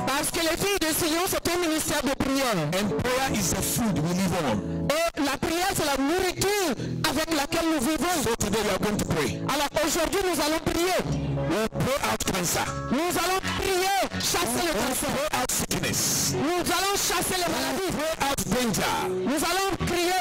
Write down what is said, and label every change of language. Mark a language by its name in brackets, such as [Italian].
[French] Parce que les filles de Sion c'est un ministère de prière. [English] And prayer is the food we live on. [French] Et La prière, c'est la nourriture avec laquelle nous vivons. [English] So today we are going to pray. [French] Alors aujourd'hui, nous allons prier. [English] We will pray out cancer. [French] Nous allons prier, chasser le cancer. [English] We will pray out sickness. [French] Nous allons chasser les maladies. [English] We will pray out danger. [French] Nous allons prier,